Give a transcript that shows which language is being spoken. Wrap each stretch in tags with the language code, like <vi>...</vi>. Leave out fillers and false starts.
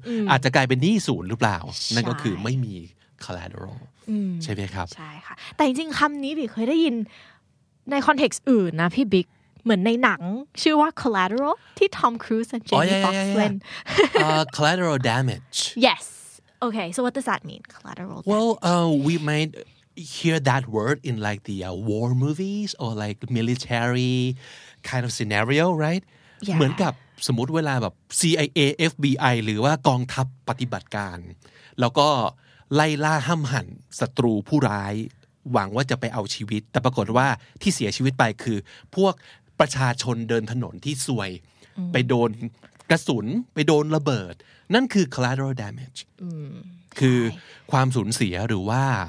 <th>อาจจะกลายเป็นหนี้ศูนย์หรือเปล่านั่นก็คือไม่มี collateral ใช่ไหมครับ ใช่ค่ะแต่จริงๆคำนี้บิ๊กเคยได้ยินในคอนเท็กซ์อื่นนะพี่บิ๊กเหมือนในหนังชื่อว่า collateral ที่ทอมครูซและเจมี่ฟ็อกซ์เล่น</th> <en>collateral damage yesOkay, so what does that mean, collateral damage? Well, we might hear that word in like the war movies or like military kind of scenario, right? Yeah.</en> <th>เหมือนกับสมมุติเวลาแบบ CIA, FBI หรือว่ากองทัพปฏิบัติการแล้วก็ไล่ล่าห้ำหั่นศัตรูผู้ร้ายหวังว่าจะไปเอาชีวิตแต่ปรากฏว่าที่เสียชีวิตไปคือพวกประชาชนเดินถนนที่ซวยไปโดนกระสุนไปโดนระเบิดนั่นคือ collateral damage คือความสูญเสียหรือว่า</th>